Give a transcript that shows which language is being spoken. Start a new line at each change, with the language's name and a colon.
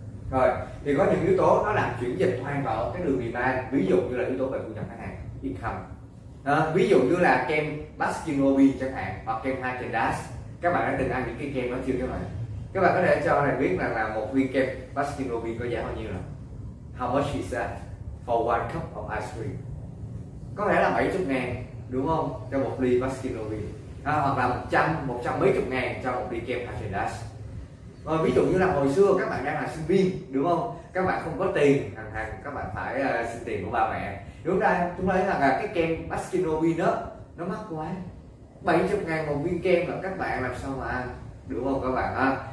Vietnamese: Rồi thì có những yếu tố nó làm chuyển dịch hoàn vào cái đường demand, ví dụ như là yếu tố về thu nhập khách hàng, income, ví dụ như là kem Baskin Robbins chẳng hạn, hoặc kem Häagen-Dazs. Các bạn đã từng ăn những cái kem đó chưa các bạn? Các bạn có thể cho thầy biết rằng là một viên kem Baskin Robbins có giá bao nhiêu không?
English: How much is that for one cup of ice cream?
Vietnamese: Có thể là 70 ngàn, đúng không, cho một ly Baskin Robbins, à, hoặc là 100 mấy chục ngàn cho một ly kem Haagen-Dazs. Rồi ví dụ như là hồi xưa các bạn đang là sinh viên, đúng không, các bạn không có tiền, hàng hàng các bạn phải xin tiền của ba mẹ, đúng không? Chúng ta thấy rằng là cái kem Baskin Robbins đó nó mắc quá, 70 ngàn một viên kem là các bạn làm sao mà ăn, đúng không các bạn ha?